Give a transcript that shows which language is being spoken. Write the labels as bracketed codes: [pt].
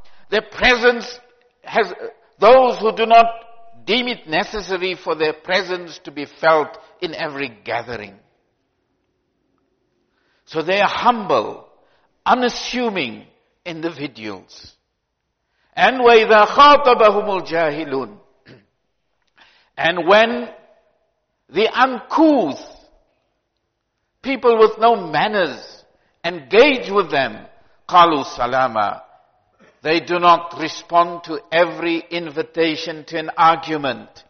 [en] Their presence has, those who do not deem it necessary for their presence to be felt in every gathering. So they are humble, unassuming individuals. And [ar] وَإِذَا خَاطَبَهُمُ الْجَاهِلُونَ. [en] And when the uncouth, people with no manners, engage with them, [ar] قَالُوا سَلَامًا. [en] They do not respond to every invitation to an argument.